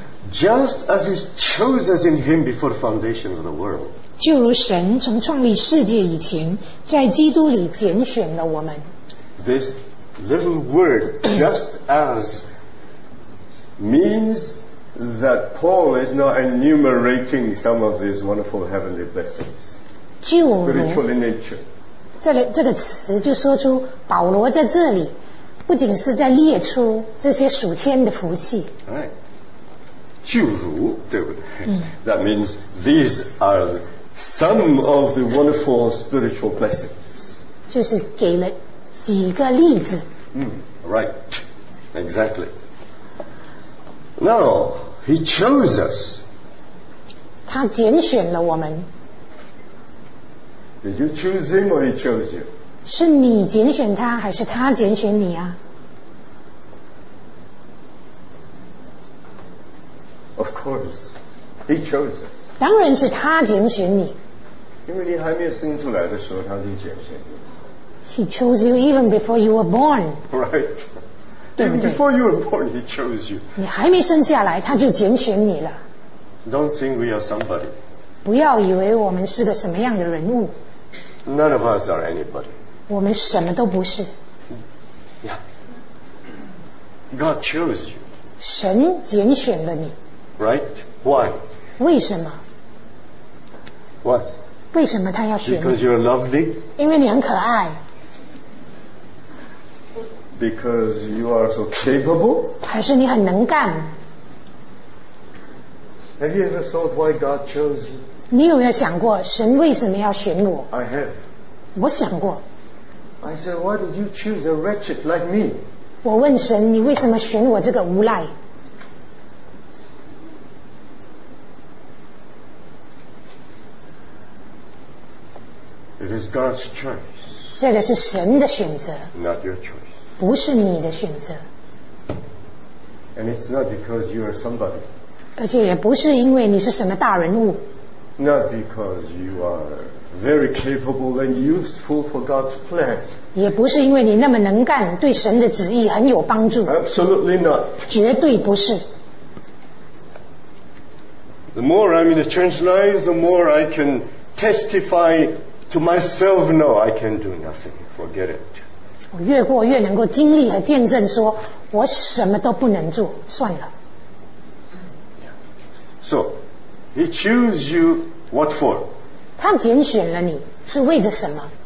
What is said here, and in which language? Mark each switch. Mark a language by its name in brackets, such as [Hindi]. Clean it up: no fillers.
[English] Just as He chose us in Him before the foundation of the world. [Chinese] 就如神从创立世界以前，在基督里拣选了我们。 [English] This little word, just as, means that Paul is not enumerating some of these wonderful heavenly blessings. [Chinese] 就如 [English] spiritual in nature. [Chinese] 这个词就说出保罗在这里，不仅是在列出这些属天的福气。 [English] Right. [Chinese] 就如对不对、 [English] That means these are some of the wonderful spiritual blessings. [Chinese] 就是给了几个例子。 [English] Right. Exactly. Now, He chose us. [Chinese] 他拣选了我们。 [English] Did you choose Him or He chose you? [Chinese] 是你拣选他还是他拣选你啊？ [English] Of course, He chose us. [Chinese] 当然是他拣选你。因为你还没有生出来的时候，他就拣选你。 [English] He chose you even before you were born. Right. Even before you were born, He chose you. [Chinese] 你还没生下来，他就拣选你了。 [English] Don't think we are somebody. [Chinese] 不要以为我们是个什么样的人物。 [English] None of us are anybody. [Chinese] 我们什么都不是。 [English] Yeah. God chose you. [Chinese] 神拣选了你。 [English] Right? Why? [Chinese] 为什么？ [English] What? [Chinese] 为什么他要选？ [English] Because you're lovely. [Chinese] 因为你很可爱。 [English] Because you are so capable. [Chinese] 还是你很能干。 [English] Have you ever thought why God chose you? [Chinese] 你有没有想过神为什么要选我？ [English] I have. [Chinese] 我想过。 [English] I said, why did you choose a wretched like me? [Chinese] 我问神，你为什么选我这个无赖？ [English] It is God's choice. [Chinese] 这个是神的选择。 [English] Not your choice. [Chinese] 不是你的选择。 [English] And it's not because you are somebody. [Chinese] 而且也不是因为你是什么大人物。 [English] Not because you are very capable and useful for God's plan. [Chinese] 也不是因为你那么能干，对神的旨意很有帮助。 [English] Absolutely not. [Chinese] 绝对不是。 [English] The more I'm in the church life, the more I can testify to myself, no, I can do nothing. Forget it. [Chinese] 我越过越能够经历和见证说，我什么都不能做，算了。 So, he chose you what for? 他拣选了你，是为着什么？